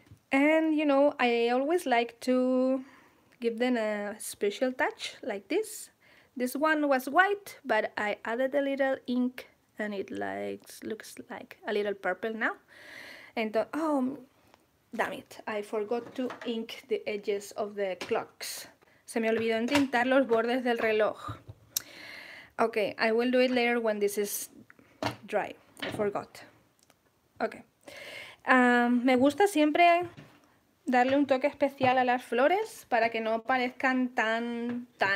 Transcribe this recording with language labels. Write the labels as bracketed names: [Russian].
[English] And you know, I always like to give them a special touch like this. This one was white, but I added a little ink and it looks like a little purple now. And oh, damn it, I forgot to ink the edges of the clocks. [Spanish] Se me olvidó entintar los bordes del reloj. [English] Okay, I will do it later when this is dry. I forgot. Okay. [Spanish] Me gusta siempre darle un toque especial a las flores para que no parezcan tan...